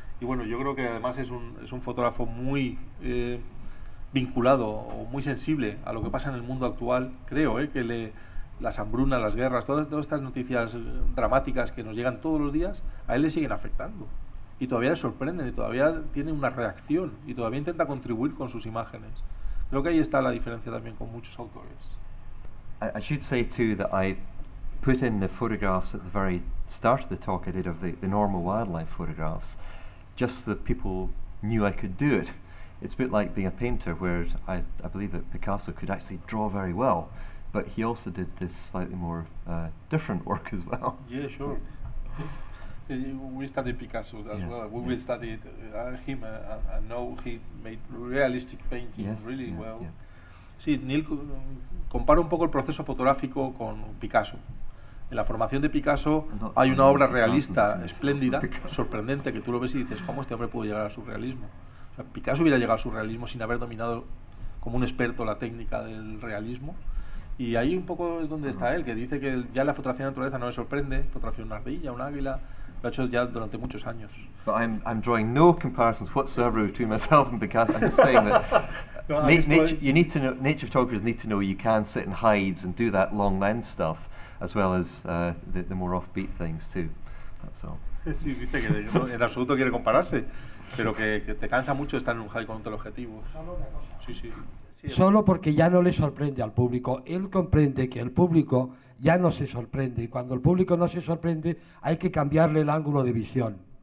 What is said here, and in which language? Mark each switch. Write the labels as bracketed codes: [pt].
[es] Y bueno, yo creo que además es un fotógrafo muy vinculado o muy sensible a lo que pasa en el mundo actual, creo, que las hambrunas, las guerras, todas estas noticias dramáticas que nos llegan todos los días, a él le siguen afectando. Y todavía le sorprenden, y todavía tiene una reacción, y todavía intenta contribuir con sus imágenes. Creo que ahí está la diferencia también con muchos autores. [en] I should say too that I put in the photographs at the very start of the talk I did of the normal wildlife photographs, just so that people knew I could do it. It's a bit like being a painter, where I believe that Picasso could actually draw very well, but he also did this slightly more different work as well. Yeah, sure. We studied Picasso as yes, well. We yeah. studied him and know he made realistic painting yes, really yeah, well. [es] Yeah. Sí, Neil, comparo un poco el proceso fotográfico con Picasso. En la formación de Picasso hay una obra realista, espléndida, sorprendente, que tú lo ves y dices, ¿cómo este hombre pudo llegar al surrealismo? O sea, Picasso hubiera llegado al surrealismo sin haber dominado como un experto la técnica del realismo. Y ahí un poco es donde está él, que dice que ya la fotografía de naturaleza no le sorprende, fotografía de una ardilla, un águila, lo ha hecho ya durante muchos años. [en] But I'm drawing no comparisons whatsoever between myself and Picasso. I'm just saying that nature photographers need to know you can sit in hides and do that long lens stuff as well as the more offbeat things too. That's all. [es] Sí, dice que en absoluto quiere compararse, pero que te cansa mucho estar en un hide con otro objetivo. Sí, sí. Solo porque ya no le sorprende al público. Él comprende que el público ya no se sorprende. Cuando el público no se sorprende, hay que cambiarle el ángulo de visión.